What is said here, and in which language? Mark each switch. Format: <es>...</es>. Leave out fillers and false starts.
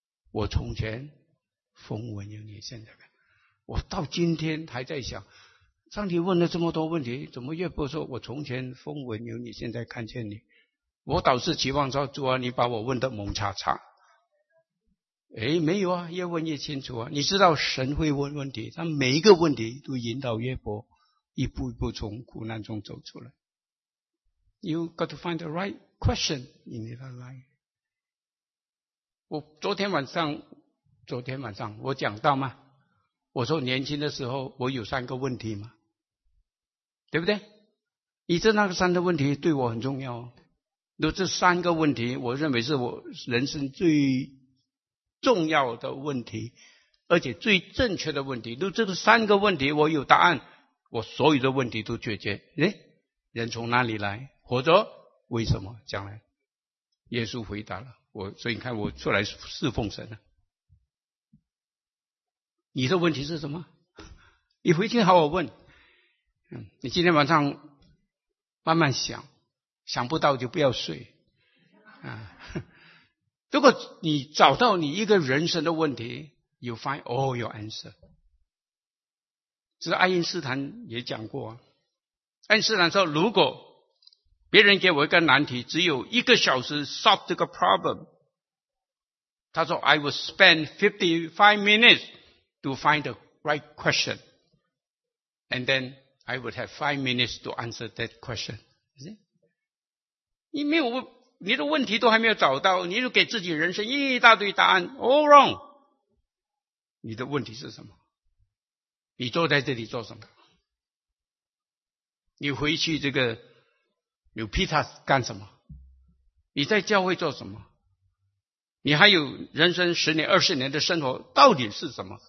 <zh>我从前风闻有你，现在我到今天还在想，上帝问了这么多问题，怎么约伯说我从前风闻有你，现在看见你？我倒是期望说，主啊，你把我问得蒙叉叉。哎，没有啊，越问越清楚啊。你知道神会问问题，他每一个问题都引导约伯一步一步从苦难中走出来。</zh> <en>You got to find the right question in your life.</en> <zh>我昨天晚上我讲到吗？我说年轻的时候我有三个问题吗？对不对？你这那个三个问题对我很重要。如果这三个问题我认为是我人生最重要的问题，而且最正确的问题，如果这个三个问题我有答案，我所有的问题都解决。诶，人从哪里来？活着为什么？将来耶稣回答了我，所以你看我出来侍奉神了。你的问题是什么？你回去好好问。你今天晚上慢慢想，想不到就不要睡啊。如果你找到你一个人生的问题，</zh> <en>You find all your answer。</en> <zh>这是爱因斯坦也讲过，爱因斯坦说，如果别人给我一个难题，只有一个小时 solve 这个 problem， 他说</zh> <en>I will spend 55 minutes to find the right question， and then I would have 5 minutes to answer that question。</en> <zh>你没有，你的问题都还没有找到，你就给自己人生一大堆答案，</zh> <en>all wrong。</en> <zh>你的问题是什么？你坐在这里做什么？你回去这个有 Peter 干什么？你在教会做什么？你还有人生10年、20年的生活到底是什么？</zh>